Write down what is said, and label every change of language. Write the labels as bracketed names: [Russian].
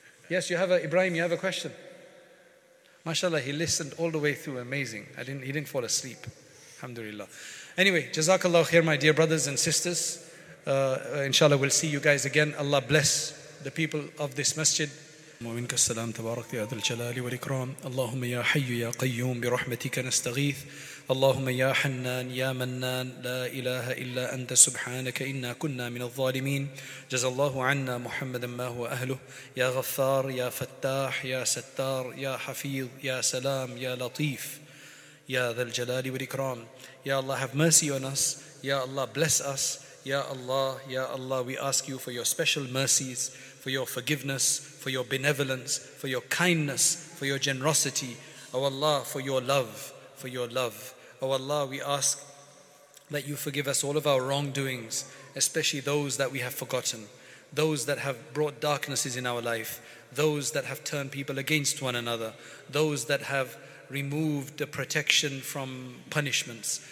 [English] Yes, Ibrahim, you have a question? MashaAllah, he listened all the way through. Amazing. He didn't fall asleep. Alhamdulillah. Anyway, Jazakallah khair, my dear brothers and sisters. InshaAllah, we'll see you guys again. Allah bless the people of this masjid. [Arabic] ومنك السلام تبارك يا ذا الجلال والإكرام اللهم يا حي يا قيوم برحمتك نستغيث اللهم يا حنان يا منان لا إله إلا أنت سبحانك إنا كنا من الظالمين جزى الله عنا محمدا ما هو أهله يا غفار يا فتاح يا ستار يا حفيظ يا سلام يا لطيف يا ذا الجلال والإكرام يا الله [English] have mercy on us [Arabic] يا الله [English] bless us [Arabic] يا الله [English] we ask you for your special mercies, for your forgiveness, for your benevolence, for your kindness, for your generosity. Oh Allah, for your love, for your love. Oh Allah, we ask that you forgive us all of our wrongdoings, especially those that we have forgotten, those that have brought darknesses in our life, those that have turned people against one another, those that have removed the protection from punishments.